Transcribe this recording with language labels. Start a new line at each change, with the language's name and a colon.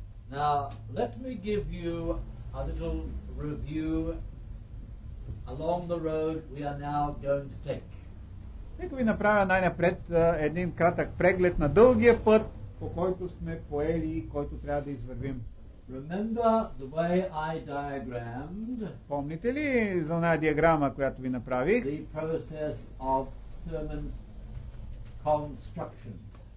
English: Now, let me give you a little review along the road we are now going to take.
Bulgarian: Нека ви направя най-напред един кратък преглед на дългия път, по който сме поели и който трябва да извървим.
English: Remember the way I diagrammed.
Bulgarian: Помните ли за една диаграма, която ви направих?
English: The process of sermon construction.